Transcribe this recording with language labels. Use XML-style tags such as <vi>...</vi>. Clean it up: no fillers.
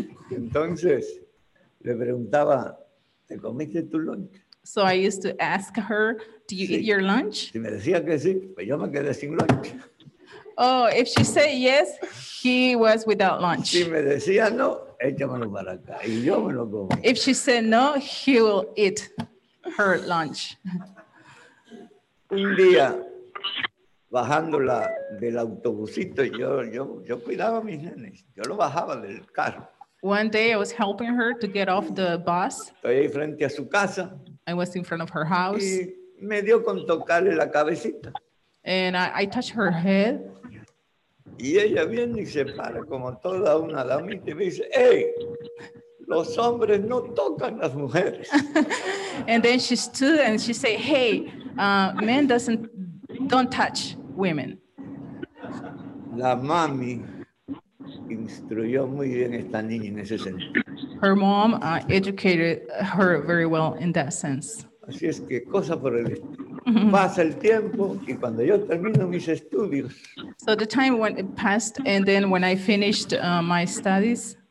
<es>Entonces, le preguntaba, ¿te comiste tu lunch?</es> <en>So I used to ask her, do you eat your lunch?</en> <es>Si me decía que sí, pues yo me quedé sin lunch.</es> <en>Oh, if she said yes, he was without lunch.</en> <es>Si me decía no, échamelo para acá y yo me lo como.</es> <en>If she said no, he will eat her lunch.</en> <es>Un día, bajándola del autobusito, yo cuidaba a mis nenes. Yo lo bajaba del carro.</es> <en>One day I was helping her to get off the bus.</en> <es>Estoy ahí frente a su casa.</es> <en>I was in front of her house.</en> <es>Y me dio con tocarle la cabecita.</es> <en>And I touched her head.</en> <es>Y ella viene y se para como toda una damita y me dice, hey, los hombres no tocan las mujeres.</es> <en>And then she stood and she said, hey, men don't touch women.</en> <es>La mami instruyó muy bien esta niña en ese sentido.</es> <en>Her mom educated her very well in that sense.</en> <es>Así es que cosa por el estilo. Pasa el tiempo y cuando yo termino mis estudios.</es> <en>So the time went it passed and then when I finished my studies.</en>